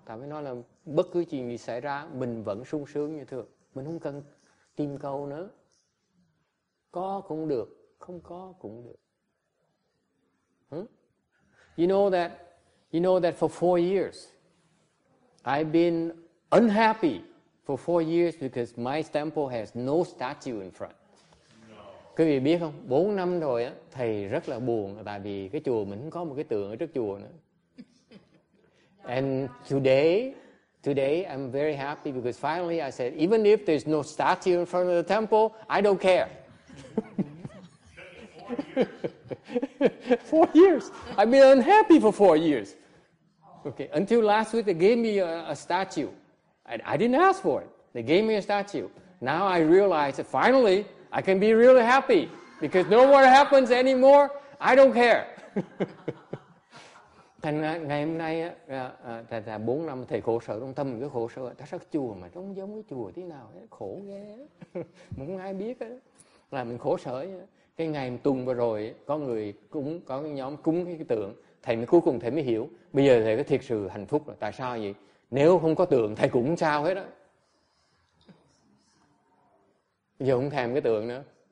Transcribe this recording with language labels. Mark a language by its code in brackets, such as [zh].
[vi] Tại vì nó là bất cứ chuyện gì xảy ra, mình vẫn sung sướng như thường. Mình không cần tìm cầu nữa. Có cũng được, không có cũng được. [en] You know that for 4 years, I've been unhappy for 4 years because my temple has no statue in front. No. [vi] Quý vị biết không? 4 năm rồi á, thầy rất là buồn tại vì cái chùa mình không có một cái tượng ở trước chùa nữa. [en] And today I'm very happy because finally I said, even if there's no statue in front of the temple, I don't care. 4 years. I've been unhappy for 4 years. Okay, until last week they gave me a statue. I didn't ask for it. They gave me a statue. Now I realize that finally I can be really happy because no more happens anymore. I don't care. [vi] Thành ngày hôm nay là 4 năm thầy khổ sở trong tâm, cái khổ sở ta sắc chùa mà trông giống cái chùa tí nào ấy, khổ ghê. Không ai biết ấy, là mình khổ sở ấy. Cái ngày tuần vừa rồi có người cúng, có cái nhóm cúng cái tượng, thầy mới cuối cùng thầy mới hiểu bây giờ thầy có thiệt sự hạnh phúc là tại sao vậy, nếu không có tượng thầy cũng sao hết á, bây giờ không thèm cái tượng nữa.